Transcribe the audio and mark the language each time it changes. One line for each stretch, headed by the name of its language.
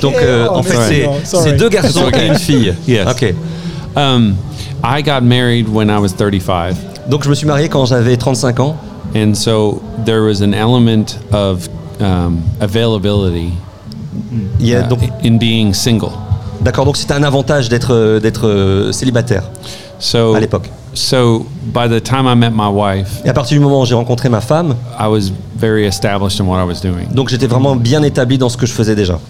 French: Donc en fait c'est 2 garçons et une fille.
English: Yes. Okay. I got married when I was 35.
French: Donc je me suis marié quand j'avais 35 ans.
English: And so there was an element of availability.
French: Yeah, donc,
English: in being single.
French: D'accord, donc c'était un avantage d'être célibataire.
English: So
French: à l'époque.
English: So by the time I met my wife.
French: Et à partir du moment où j'ai rencontré ma femme,
English: I was very established in what I was doing.
French: Donc j'étais vraiment bien établi dans ce que je faisais déjà.